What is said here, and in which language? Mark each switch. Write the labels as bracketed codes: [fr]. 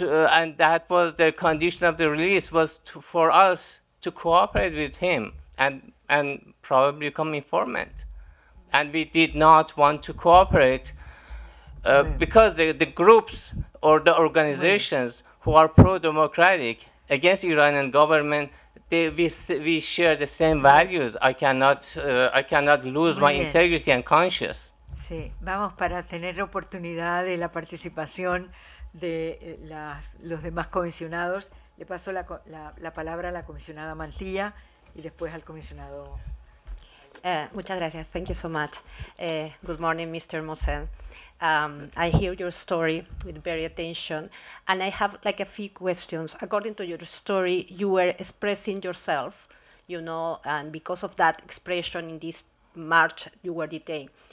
[en] And that was the condition of the release, was for us to cooperate with him and probably become informant. And we did not want to cooperate because the groups or the organizations who are pro-democratic against Iranian government, we share the same values. I cannot lose my integrity and conscience. [es] Sí, vamos, para tener la oportunidad de la participación de los demás comisionados, le paso la palabra a la comisionada Mantilla y después al comisionado. Muchas gracias. [en] Thank you so much. Good morning, Mr. Mohsen. I hear your story with very attention, and I have like a few questions. According to your story, you were expressing yourself, you know, and because of that expression in this march, you were detained.